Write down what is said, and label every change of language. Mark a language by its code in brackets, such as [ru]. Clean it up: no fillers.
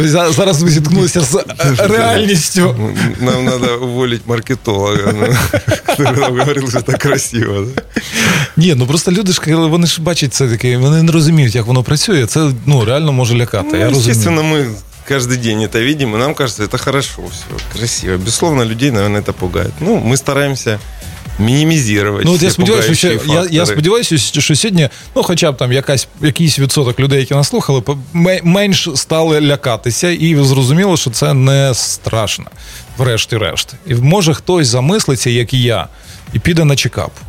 [uk] Зараз ми зіткнулися з реальністю. Нам треба уволити маркетолога. Ти говорив, що це красиво. Ні, ну просто люди ж, вони ж бачать це таке, вони не розуміють, як воно працює. Це, ну, реально може лякати. Я розумію. [ru] Естественно, ми... каждый день это видим, и нам кажется, это хорошо, все красиво. Безусловно, людей, наверное, это пугает. Ну, мы стараемся мінімізувати. [uk] Ну, от я сподіваюся, що сьогодні, ну, хоча б там якийсь відсоток людей, які нас слухали, менш стали лякатися і зрозуміло, що це не страшно. Врешті-решт. І може хтось замислиться, як і я, і піде на чекап.